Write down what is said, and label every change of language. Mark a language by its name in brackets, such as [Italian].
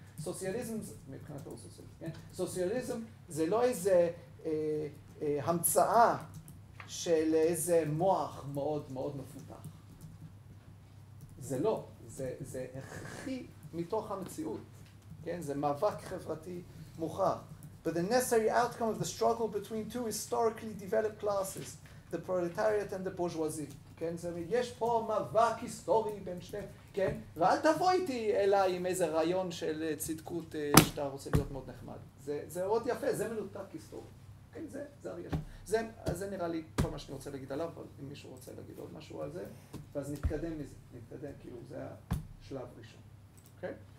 [Hebrew] Socialism, מבחינתו סוציאליזם, כן? סוציאליזם זה לא איזה המצאה של איזה מוח מאוד מאוד מפותח. זה לא, זה הכי מתוך המציאות. כן, זה מאבק חברתי מוכר. [English] But the necessary outcome of the struggle between two historically developed classes, the proletariat and the bourgeoisie. [Hebrew] כן, זאת אומרת, יש פה מאבק היסטורי בין שני, כן? ואל תבוא איתי אליי עם איזה רעיון של צדקות שאתה רוצה להיות מאוד נחמד. זה עוד יפה, זה מנותק היסטורי. כן, זה הרגש. זה נראה לי כל מה שאני רוצה להגיד עליו, אבל אם מישהו רוצה להגיד עוד משהו על זה, ואז נתקדם מזה, נתקדם, כאילו זה השלב ראשון. כן?